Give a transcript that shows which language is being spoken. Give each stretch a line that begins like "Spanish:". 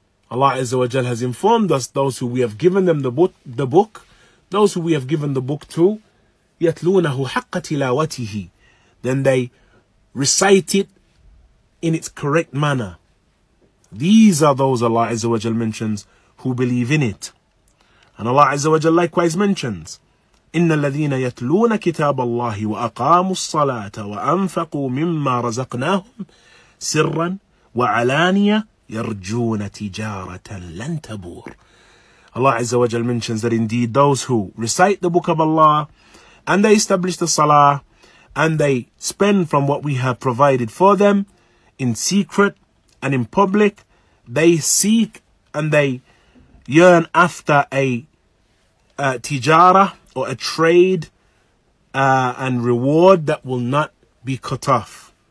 English: Allah Azza wa Jal has informed us, those who we have given them the book, those who we have given the book to, yatlunahu haqqa tilawatihi, then they recite it in its correct manner. These are those Allah Azza wa Jal mentions who believe in it.
Arabic: And Allah Azza wa Jal likewise mentions, إِنَّ الَّذِينَ يَتْلُونَ كِتَابَ اللَّهِ وَأَقَامُوا الصَّلَاةَ وَأَنفَقُوا مِمَّا رَزَقْنَاهُمْ سِرًّا وَعَلَانِيَةً يَرْجُونَ تِجَارَةً لَن تَبُورَ.
English: Allah Azza wa Jal mentions that indeed those who recite the book of Allah and they establish the salah and they spend from what we have provided for them in secret and in public, they seek and they yearn after a tijara or a trade and reward that will not be cut off.